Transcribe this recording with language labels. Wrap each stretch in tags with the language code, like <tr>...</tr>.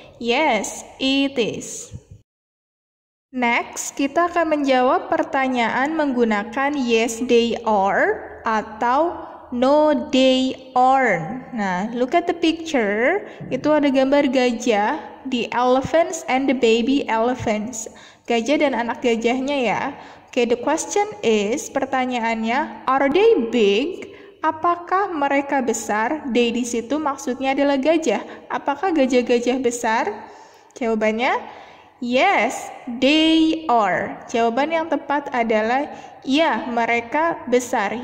<en>Yes, it is. Next,</en> <id>kita akan menjawab pertanyaan menggunakan</id> <en>yes they are</en> <id>atau</id> <en>no they aren't. Nah, look at the picture.</en> <id>Itu ada gambar gajah,</id> <en>the elephants and the baby elephants.</en> <id>Gajah dan anak gajahnya ya.</id> <en>Okay, the question is,</en> <id>pertanyaannya,</id> <en>are they big?</en> <id>Apakah mereka besar? They di situ maksudnya adalah gajah. Apakah gajah-gajah besar? Jawabannya,</id> <en>yes, they are.</en> <id>Jawaban yang tepat adalah, ya, mereka besar.</id>